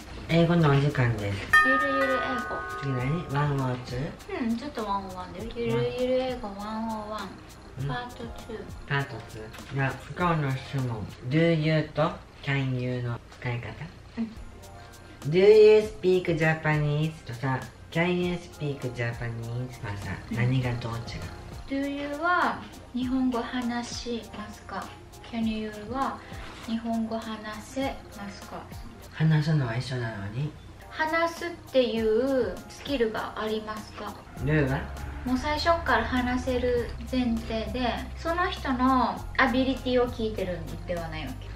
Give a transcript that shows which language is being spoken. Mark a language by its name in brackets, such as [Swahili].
[Japanese] 英語のお時間です。ゆるゆる英語、次何？ワンオーツ？うん、ちょっとワンオーワンで、ゆるゆる英語ワンオーワンパート2。パート2。じゃあ、今日の質問、 [English] Do you [Japanese] と [English] Can you [Japanese] の使い方。うん、 [English] Do you speak Japanese [Japanese] とさ、 [English] Can you speak Japanese [Japanese] はさ、うん、何がどう違う？ [English] Do you [Japanese] は日本語話しますか？ [English] Can you [Japanese] は日本語話せますか？話すのは一緒なのに、話すっていうスキルがありますか？ Do は？もう最初から話せる前提で、その人のアビリティを聞いてるんではないわけ。